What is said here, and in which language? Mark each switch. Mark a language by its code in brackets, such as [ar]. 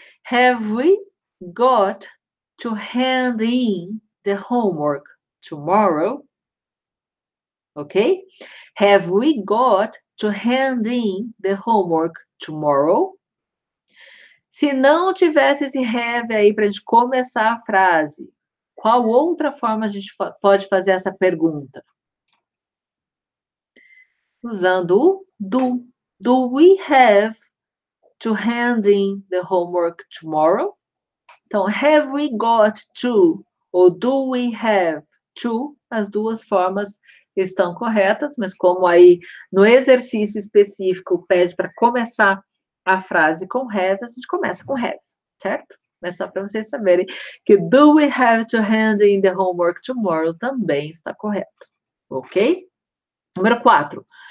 [en] Have we got to hand in the homework tomorrow? Ok? Have we got to hand in the homework tomorrow? [pt] Se não tivesse esse have aí para a gente começar a frase, qual outra forma a gente pode fazer essa pergunta? Usando o do. [en] Do we have to hand in the homework tomorrow? [pt] Então, [en] have we got to [pt] ou [en] do we have to? [pt] As duas formas estão corretas, mas como aí no exercício específico pede para começar a frase com have, a gente começa com have, certo? Mas só para vocês saberem que [en] do we have to hand in the homework tomorrow [pt] também está correto, ok? Número 4.